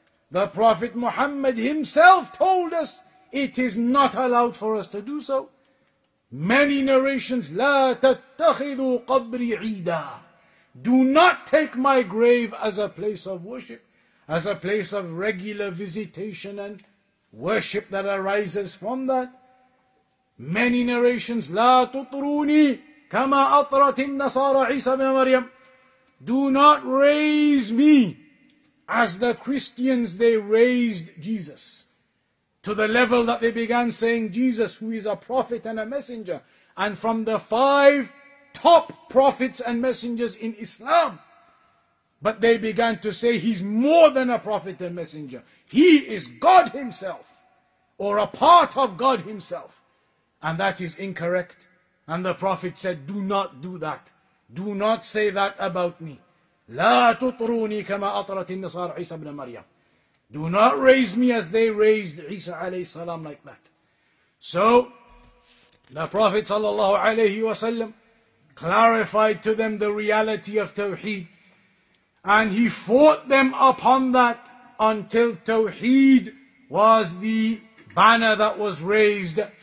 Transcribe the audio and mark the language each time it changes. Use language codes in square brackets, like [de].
[en] The Prophet Muhammad himself told us it is not allowed for us to do so. Many narrations, [ar] لا تتخذوا قبري عيدا. [en] Do not take my grave as a place of worship, as a place of regular visitation and worship that arises from that. Many narrations, [ar] لا تطروني كما أطرت النصارى عيسى بن مريم. [en] Do not raise me as the Christians, they raised Jesus. To the level that they began saying, Jesus, who is a prophet and a messenger, and from the five top prophets and messengers in Islam. But they began to say, he's more than a prophet and messenger. He is God himself, or a part of God himself. And that is incorrect. And the prophet said, do not do that. Do not say that about me. [ar] لا تطروني كما أطرت النصارى عيسى بن مريم. [en] Do not raise me as they raised Isa alayhi salam like that. So, the Prophet sallallahu alayhi wa sallam clarified to them the reality of Tawheed. And he fought them upon that until Tawheed was the banner that was raised.